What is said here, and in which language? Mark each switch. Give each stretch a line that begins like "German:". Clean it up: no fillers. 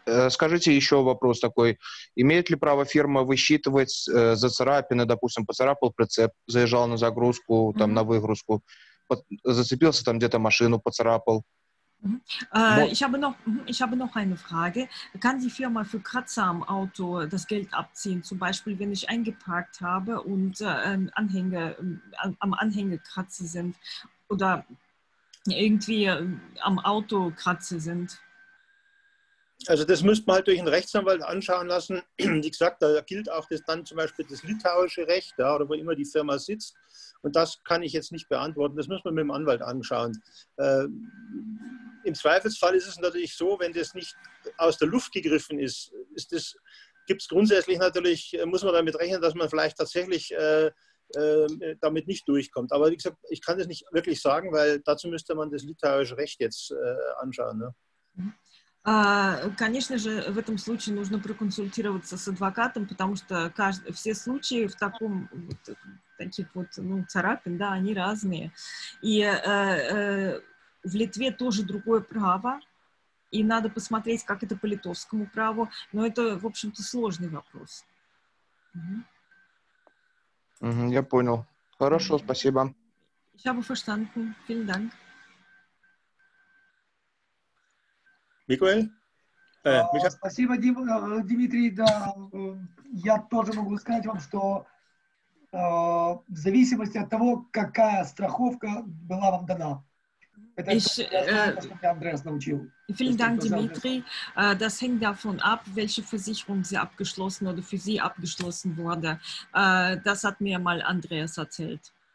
Russian: Скажите еще вопрос такой. Имеет ли право фирма высчитывать за царапины, допустим, поцарапал прицеп, заезжал на загрузку, там, на выгрузку, зацепился там где-то машину, поцарапал?
German: Ich habe noch eine Frage. Kann die Firma für Kratzer am Auto das Geld abziehen? Zum Beispiel, wenn ich eingeparkt habe und am Anhänger kratze sind oder irgendwie am Auto kratze sind. Also das müsste man halt durch einen Rechtsanwalt anschauen lassen. Wie gesagt, da gilt auch das dann zum Beispiel das litauische Recht, ja, oder wo immer die Firma sitzt. Und das kann ich jetzt nicht beantworten. Das müssen wir mit dem Anwalt anschauen. Im Zweifelsfall ist es natürlich so, wenn das nicht aus der Luft gegriffen ist, gibt es grundsätzlich natürlich, muss man damit rechnen, dass man vielleicht tatsächlich damit nicht durchkommt. Aber wie gesagt, ich kann das nicht wirklich sagen, weil dazu müsste man das litauische Recht jetzt anschauen. Ne?
Russian: Конечно же, в этом случае нужно проконсультироваться с адвокатом, потому что все случаи в таком, таких вот, ну, царапин, да, они разные. И в Литве тоже другое право, и надо посмотреть, как это по литовскому праву, но это, в общем-то, сложный вопрос. Я понял. Хорошо, спасибо.
German: Ich habe verstanden. Vielen Dank. Miguel?
Russian: Спасибо, Дмитрий. Да, я тоже могу сказать вам, что в зависимости от того, какая страховка была вам дана.
German: Vielen Dank, Dimitri. Das hängt davon ab, welche Versicherung Sie abgeschlossen oder für Sie abgeschlossen wurde. Das hat mir mal Andreas erzählt.